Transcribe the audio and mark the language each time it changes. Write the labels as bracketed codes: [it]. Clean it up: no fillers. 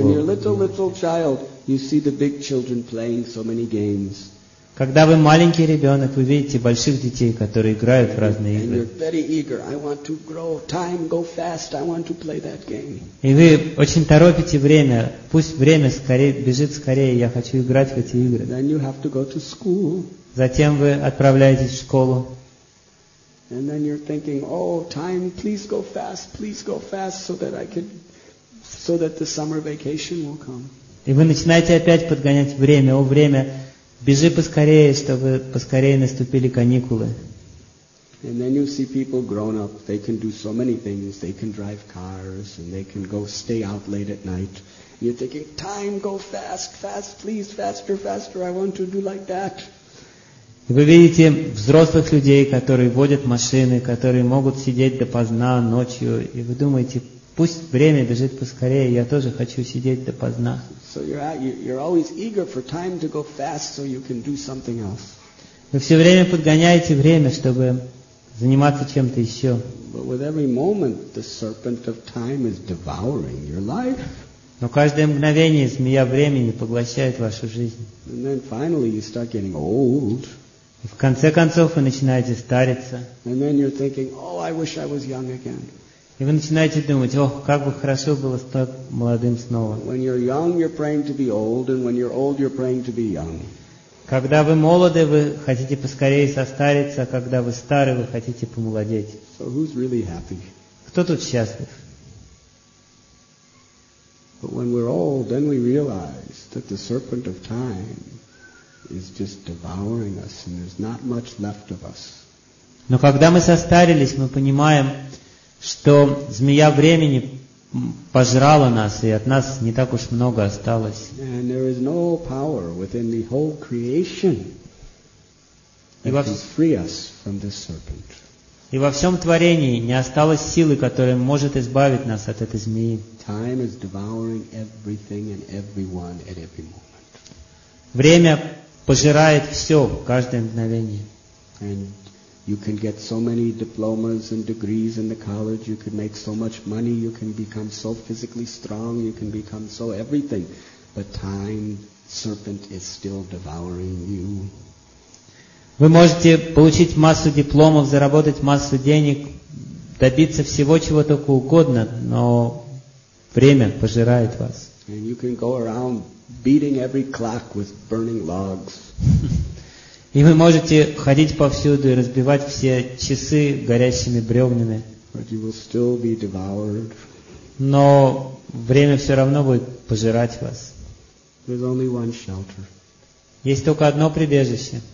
[en] When you're a little child, you see the big children playing so many games. [ru] Когда вы маленький ребенок, вы видите больших детей, которые играют в разные игры. [en] And you're very eager. I want to grow. Time go fast. I want to play that game. [ru] И вы очень торопите время. Пусть время скорее бежит скорее. Я хочу играть в эти игры. [en] Then you have to go to school. [ru] Затем вы отправляетесь в школу. [en] And then you're thinking, oh, time, please go fast, so that the summer vacation will come. [ru] И вы начинаете опять подгонять время. О, время! Бежи поскорее, чтобы поскорее наступили каникулы. [en] And then you see people grown up. They can do so many things. They can drive cars and they can go stay out late at night. And you're thinking, time go fast, please, faster. I want to do like that. [ru] И вы видите взрослых людей, которые водят машины, которые могут сидеть допоздна ночью, и вы думаете, пусть время бежит поскорее, я тоже хочу сидеть допоздна. [en] So you're always eager for time to go fast so you can do something else. [ru] Вы все время подгоняете время, чтобы заниматься чем-то еще. [en] But with every moment the serpent of time is devouring your life. [ru] Но каждое мгновение змея времени поглощает вашу жизнь. [en] And then finally you start getting old. [ru] И в конце концов вы начинаете стариться. [en] And then you're thinking, oh, I wish I was young again. [ru] И вы начинаете думать, ох, как бы хорошо было стать молодым снова. [en] When you're young, you're praying to be old, and when you're old, you're praying to be young. [ru] Когда вы молоды, вы хотите поскорее состариться, а когда вы стары, вы хотите помолодеть. [en] So who's really happy? [ru] Кто тут счастлив? [en] But when we're old, then we realize that the serpent of time is just devouring us, and there's not much left of us. [ru] Но когда мы состарились, мы понимаем, что змея времени пожрала нас, и от нас не так уж много осталось. [en] And there is no power within the whole creation that can free us from this serpent. [ru] И во всем творении не осталось силы, которая может избавить нас от этой змеи. [en] Time is devouring everything and everyone at every moment. [ru] Время пожирает все, каждое мгновение. [en] You can get so many diplomas and degrees in the college, you can make so much money, you can become so physically strong, you can become so everything. But time, serpent, is still devouring you. [ru] Вы можете получить массу дипломов, заработать массу денег, добиться всего, чего только угодно, но время пожирает вас. [en] And you can go around beating every clock with burning logs. [ru] И вы можете ходить повсюду и разбивать все часы горящими бревнами. [en] But you will still be devoured. [ru] Но время все равно будет пожирать вас. [en] There's only one shelter. [ru] Есть только одно прибежище.